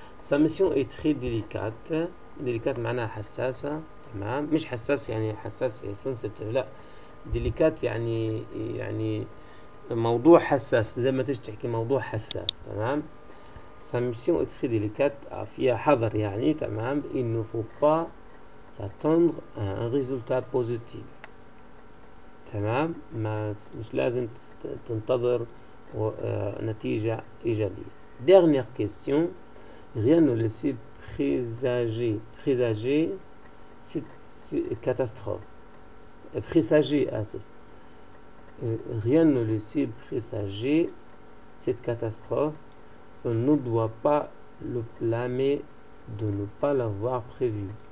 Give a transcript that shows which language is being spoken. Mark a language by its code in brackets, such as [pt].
[fr] Sa mission est très délicate. [ar] Délicate معناها حساسة. تمام. مش حساس يعني حساس sensitive. لا. Délicate يعني موضوع حساس. زي ما تيجي تحكي موضوع حساس. تمام. [fr] Sa mission est très délicate. [ar] فيها حذر يعني. تمام. [fr] Il ne faut pas s'attendre à un résultat positif. [ar] تمام. ما مش لازم تنتظر نتيجة إيجابية. [fr] Dernière question. Rien ne laissait présager. Présager, c'est catastrophe. Présager, Asif. Rien ne laissait présager cette catastrophe. On ne doit pas le blâmer de ne pas l'avoir prévu.